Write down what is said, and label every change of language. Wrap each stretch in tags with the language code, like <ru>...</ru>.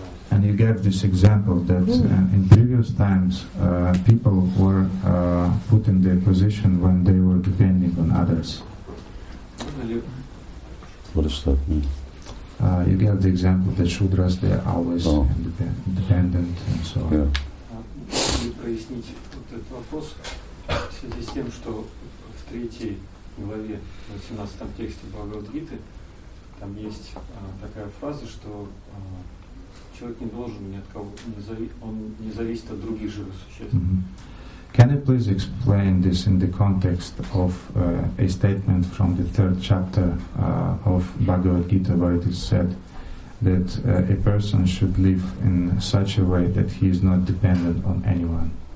<en>And you gave this example that in previous times people were put in their position when they were depending on others. What does that mean? You gave the example that Shudras, they are always dependent and so on.</en> <ru>Можете прояснить вот этот вопрос в связи с тем, что в третьей главе, в 18 тексте Бхагавад-гиты, там есть такая фраза, что человек не должен ни от кого, он не зависит от других живых существ. Mm-hmm.</ru> <en>Can you please explain this in the context of a statement from the third chapter of Bhagavad Gita, where it is said that a person should live in such a way that he is not dependent on anyone?</en>